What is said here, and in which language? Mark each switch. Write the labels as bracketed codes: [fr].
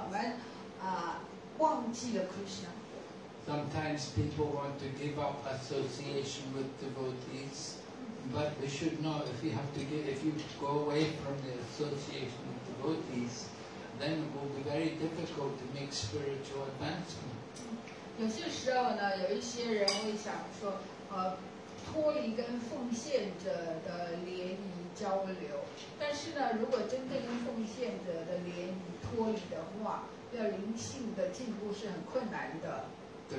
[zh] 那为什么在奉献者之中有那么多会有冲突啦、矛盾啊、不和谐啊？那是由于我们忘记了 Krishna. [en] Sometimes people want to give up association with devotees, but we should know if you have to give, if you go away from the association with devotees, then it will be very difficult to make spiritual advancement. [zh] 有些时候呢，有一些人会想说，脱离跟奉献者的联谊交流。但是呢，如果真正跟奉献者的联谊脱离的话，要灵性的进步是很困难的。 [en] To